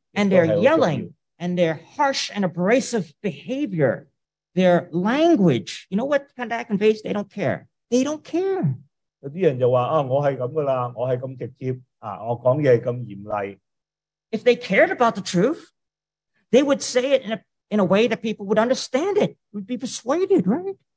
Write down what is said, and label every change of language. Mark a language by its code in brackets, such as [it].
[en] And their yelling and their harsh and abrasive behavior, their language, you know what kind of conveys? They don't care. They don't care. [zh] 有些人就说，我是这样的，我是这么直接，我说话是这么严厉。 [en] If they cared about the truth, they would say it in a way that people would understand it, would be persuaded, right?